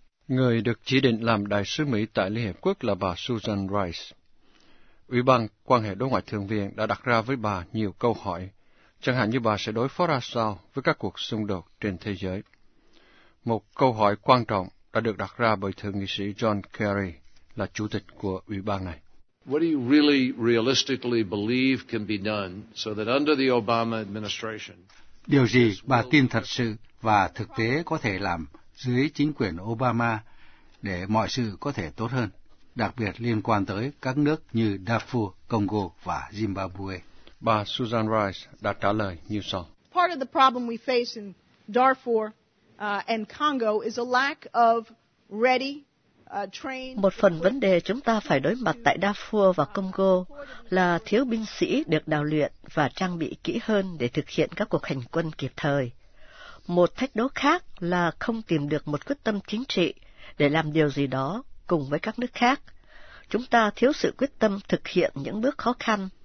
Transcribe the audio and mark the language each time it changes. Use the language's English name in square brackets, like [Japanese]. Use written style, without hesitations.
[Vietnamese] Người được chỉ định làm đại sứ Mỹ tại Liên Hiệp Quốc là bà Susan Rice. Ủy ban quan hệ đối ngoại thượng viện đã đặt ra với bà nhiều câu hỏi, chẳng hạn như bà sẽ đối phó ra sao với các cuộc xung đột trên thế giới. Một câu hỏi quan trọng đã được đặt ra bởi thượng nghị sĩ John Kerry, là chủ tịch của ủy ban này. [English] What do you really realistically believe can be done so that under the Obama administration? [Vietnamese] Điều gì bà tin thật sự và thực tế có thể làm dưới chính quyền Obama để mọi sự có thể tốt hơn, đặc biệt liên quan tới các nước như Darfur, Congo và Zimbabwe? Bà Susan Rice đã trả lời như sau. [English] Part of the problem we face in Darfur and Congo is a lack of ready, trained. [Vietnamese] Một phần vấn đề chúng ta phải đối mặt tại Darfur và Congo là thiếu binh sĩ được đào luyện và trang bị kỹ hơn để thực hiện các cuộc hành quân kịp thời. Một thách đố khác là không tìm được một quyết tâm chính trị để làm điều gì đó cùng với các nước khác. Chúng ta thiếu sự quyết tâm thực hiện những bước khó khăn